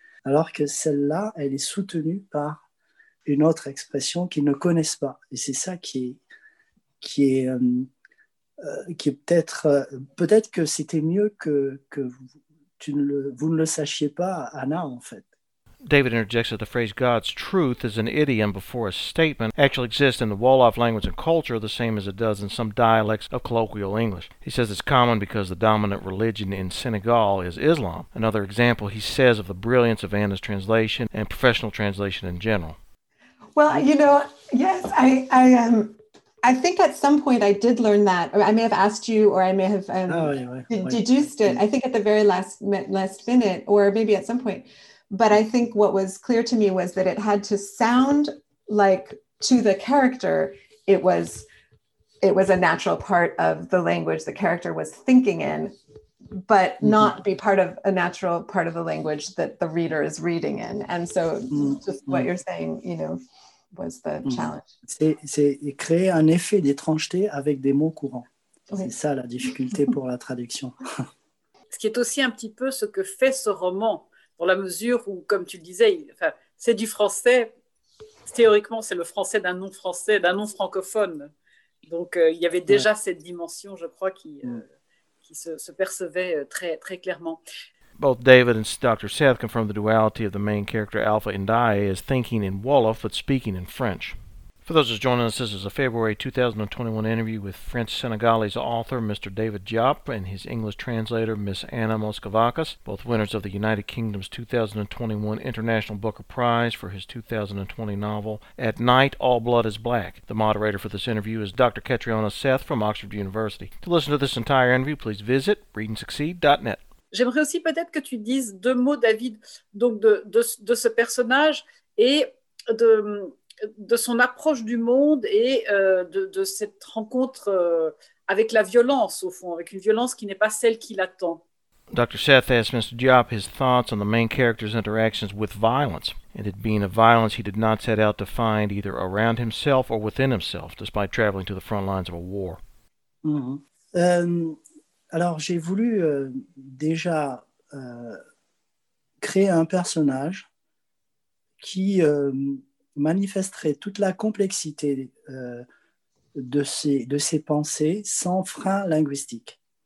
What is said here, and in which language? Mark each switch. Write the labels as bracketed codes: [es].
[fr] Alors que celle-là, elle est soutenue par une autre expression qu'ils ne connaissent pas. Et c'est ça qui est peut-être... Peut-être que c'était mieux que vous ne le sachiez pas, Anna, en fait. [en] David interjects that the phrase God's truth is an idiom before a statement actually exists in the Wolof language and culture the same as it does in some dialects of colloquial English. He says it's common because the dominant religion in Senegal is Islam. Another example, he says, of the brilliance of Anna's translation and professional translation in general. Well, you know, yes, I think at some point I did learn that, or I may have asked you, or I may have deduced it, I think at the very last minute, or maybe at some point. But I think what was clear to me was that it had to sound like to the character, it was a natural part of the language the character was thinking in, but not be part of a natural part of the language that the reader is reading in. And so just what you're saying, you know, was the challenge. [fr] C'est créer un effet d'étrangeté avec des mots courants. Oui. C'est ça la difficulté pour la traduction. Ce qui est aussi un petit peu ce que fait ce roman, dans la mesure où, comme tu le disais, enfin, c'est du français, théoriquement, c'est le français d'un non-français, d'un non-francophone. Donc, il y avait déjà cette dimension, je crois, qui se percevait très, très clairement. [en] Both David and Dr. Seth confirm the duality of the main character Alpha Ndiaye as thinking in Wolof but speaking in French. For those who are joining us, this is a February 2021 interview with French-Senegalese author Mr. David Diop and his English translator Ms. Anna Moscovakis, both winners of the United Kingdom's 2021 International Booker Prize for his 2020 novel, At Night, All Blood is Black. The moderator for this interview is Dr. Catriona Seth from Oxford University. To listen to this entire interview, please visit readandsucceed.net. [fr] J'aimerais aussi peut-être que tu dises deux mots, David, donc de ce personnage et de son approche du monde et de cette rencontre avec la violence, au fond, avec une violence qui n'est pas celle qu'il attend. [en] Dr. Seth asked Mr. Diop his thoughts on the main character's interactions with violence, and it being a violence he did not set out to find either around himself or within himself, despite traveling to the front lines of a war. [fr] Alors, j'ai voulu déjà créer un personnage qui manifesterait toute la complexité de ses pensées sans frein linguistique.